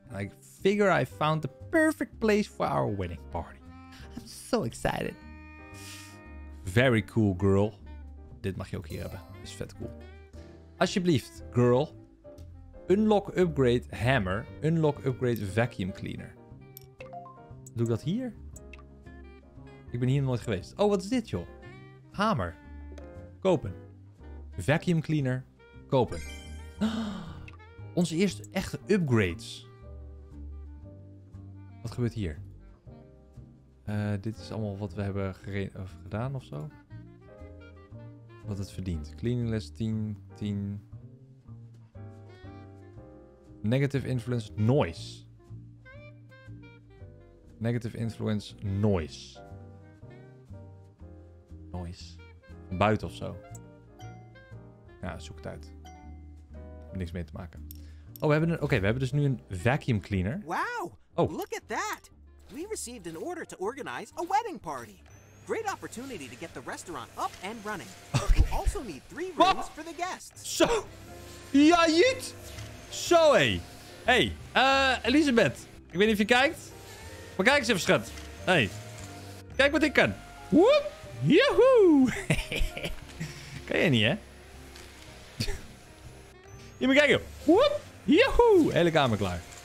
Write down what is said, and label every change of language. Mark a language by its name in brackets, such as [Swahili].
[English] And I figure I found the perfect place for our wedding party. I'm so excited. Very cool, girl. [Dutch] Dit mag je ook hier hebben. Is vet cool. [English] Alsjeblieft, girl. Unlock upgrade hammer. Unlock upgrade vacuum cleaner. [Dutch] Doe ik dat hier? Ik ben hier nooit geweest. Oh, wat is dit, joh? Hamer. Kopen. Vacuum cleaner. Kopen. Onze eerste echte upgrades. Wat gebeurt hier? Dit is allemaal wat we hebben gedaan of zo. Wat het verdient. [English] Cleaning list 10. Negative influence noise. Negative influence noise. [Dutch] Noise. Buiten of zo. Ja, zoek het uit. Niks mee te maken. Oh, we hebben dus nu een vacuum cleaner. Wow! Oh, [English] look at that! We received an order to organize a wedding party. Great opportunity to get the restaurant up and running. Okay. We'll also need 3 rooms for the guests. [Dutch] Zo! Ja, jeet! Zo, hé! Hey, Elisabeth. Ik weet niet of je kijkt. Maar kijk eens even, schat. Hey. Kijk wat ik kan. Woep. Joehoe. Kan jij niet, hè? Hier, maar kijken. Woep. Joehoe. Hele kamer klaar.